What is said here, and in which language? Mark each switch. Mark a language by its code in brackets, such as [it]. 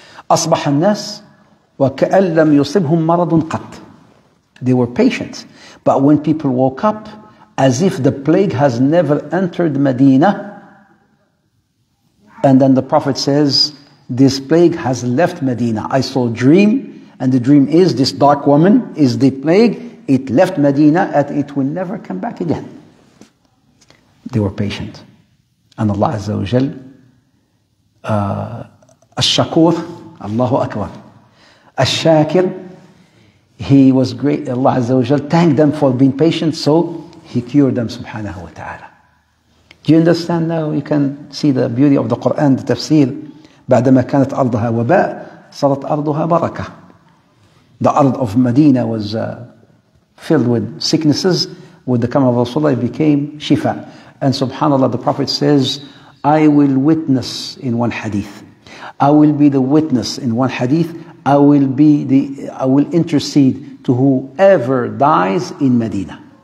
[ar] أصبح الناس وكأن لم يصبهم مرض قط. [en] They were patient, but when people woke up, as if the plague has never entered Medina. And then the Prophet says, this plague has left Medina. I saw a dream, and the dream is, this dark woman is the plague. It left Medina, and it will never come back again. They were patient. And Allah Azza wa Jal, Ash-Shakur, Allahu Akbar. Ash-Shakir, he was great. Allah Azza wa Jalla thanked them for being patient, so he cured them, subhanahu wa ta'ala. Do you understand now? You can see the beauty of the Quran, the tafsir. [ar] بعدما كانت أرضها وباء صارت أرضها بركة. [en] The earth of Medina was filled with sicknesses. With the coming of Rasulullah, it became shifa. And subhanAllah, the Prophet says, I will witness in one hadith. I will be the witness in one hadith. I will intercede to whoever dies in Medina.